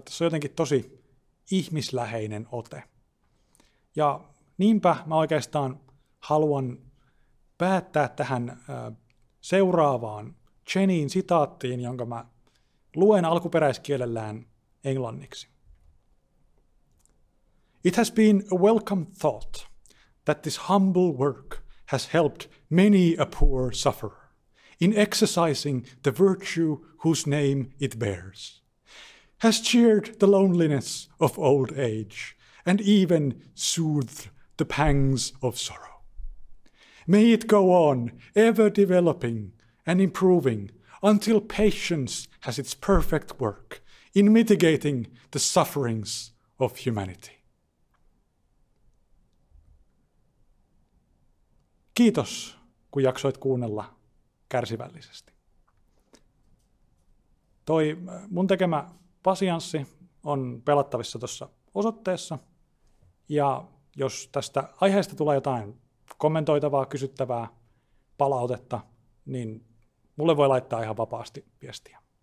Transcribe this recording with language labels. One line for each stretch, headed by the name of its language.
Finnish: Tässä on jotenkin tosi ihmisläheinen ote. Ja niinpä mä oikeastaan haluan päättää tähän seuraavaan Cheneyn sitaattiin, jonka mä luen alkuperäiskielellään englanniksi.
English: It has been a welcome thought that this humble work has helped many a poor sufferer in exercising the virtue whose name it bears. Has cheered the loneliness of old age and even soothed the pangs of sorrow. May it go on, ever developing and improving, until patience has its perfect work in mitigating the sufferings of humanity.
Finnish: Kiitos, kun jaksoit kuunnella kärsivällisesti. Toi mun tekemä pasianssi on pelattavissa tuossa osoitteessa. Ja jos tästä aiheesta tulee jotain kommentoitavaa, kysyttävää, palautetta, niin mulle voi laittaa ihan vapaasti viestiä.